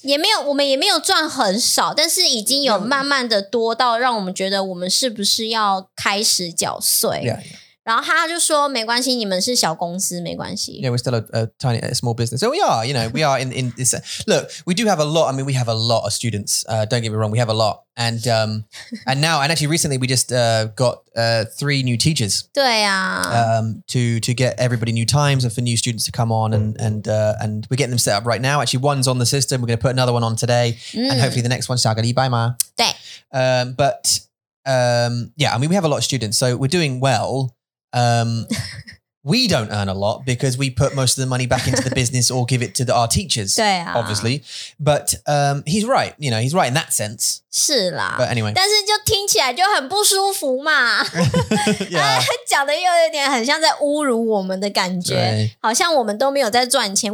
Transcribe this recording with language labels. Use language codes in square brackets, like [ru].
[zh] 也没有，我们也没有赚很少，但是已经有慢慢的多到让我们觉得我们是不是要开始缴税。 [en] Yeah. [zh] 然后他就说没关系，你们是小公司，没关系。 [en] Yeah, we're still a small business. So we are, you know, we are in this. Look, we do have a lot. I mean, we have a lot of students. Don't get me wrong, we have a lot. And actually recently we just got three new teachers. [zh] 对啊。 [en] To get everybody new times and for new students to come on and we're getting them set up right now. Actually one's on the system. We're going to put another one on today and hopefully the next one's [zh] 下个礼拜嘛。对。 [en] But yeah, I mean, we have a lot of students, so we're doing well. we don't earn a lot because we put most of the money back into the business or give it to our teachers, obviously. But he's right. You know, he's right in that sense. [zh] 是啦, [en] but anyway. [zh] 但是就听起来就很不舒服嘛。讲的又有点很像在侮辱我们的感觉。好像我们都没有在赚钱。